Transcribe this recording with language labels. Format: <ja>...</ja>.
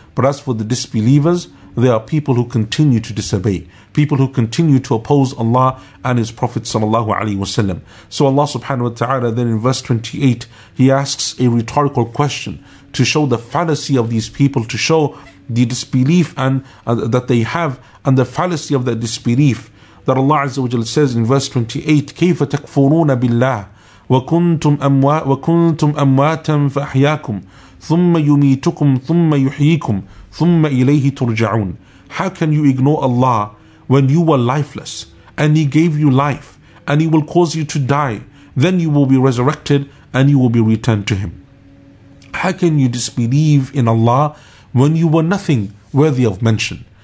<en>But as for the disbelievers, they are people who continue to disobey, people who continue to oppose Allah and His Prophet sallallahu alaihi wasallam. So Allah subhanahu wa ta'ala then in verse 28, He asks a rhetorical question to show the fallacy of these people, to show the disbelief and that they have, and the fallacy of their disbelief. That Allah Azza wa Jalla says in verse 28,</en> <ar>كيف تكفرون بالله وكنتم أمواتا فأحياكم ثم يميتكم ثم يحييكم ثم إليه ترجعون.</ar> <en>How can you ignore Allah when you were lifeless and He gave you life and He will cause you to die, then you will be resurrected and you will be returned to Him? How can you disbelieve in Allah when you were nothing worthy of mention?</en>